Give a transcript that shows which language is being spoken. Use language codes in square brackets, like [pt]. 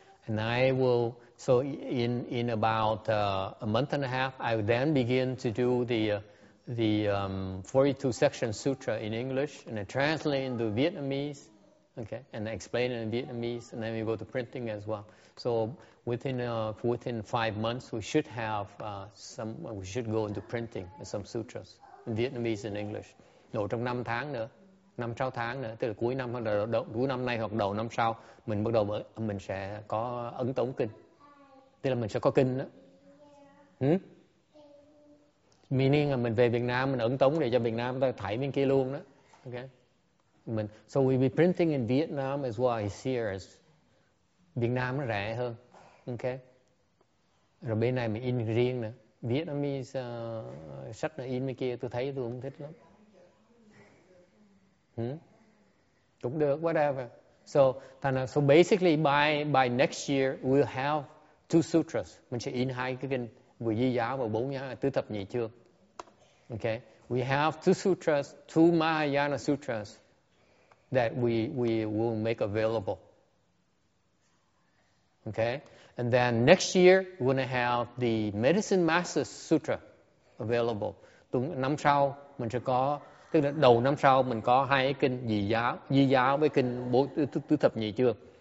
[en] And I will, so in about a month and a half, I will then begin to do the 42 section sutra in English and then translate into Vietnamese. okay, and explain it in Vietnamese, and then we go to printing as well. So within 5 months, we should have we should go into printing some sutras in Vietnamese and English. [vi] Nổ trong 5 tháng nữa, 5-6 tháng nữa, tức là cuối năm hoặc cuối năm nay hoặc đầu năm sau, mình bắt đầu mình sẽ có ấn tống kinh. Tức là mình sẽ có kinh đó. Meaning là mình về Việt Nam, mình ấn tống để cho Việt Nam ta thảy bên kia luôn đó. [en] Okay. [vi] Mình, [en] so we be printing in Vietnam as well as here. [vi] As Việt Nam nó rẻ hơn. Okay. Rồi bên này mình in riêng nữa. Vietnamese sách nó in bên kia, tôi thấy tôi không thích lắm. Cũng được, [en] whatever. So basically by next year we'll have two sutras. [vi] Mình sẽ in hai cái kinh Vừa Di Giáo và Bốn Nhã Tứ Thập Nhị Chương. [en] Okay, we have two sutras, two Mahayana sutras that we will make available. Okay, and then next year we're gonna have the Medicine Master Sutra available. [vi] Năm sau mình sẽ có, tức là đầu năm sau mình có hai cái kinh Di Giáo với kinh Tứ Thập Nhị Chương.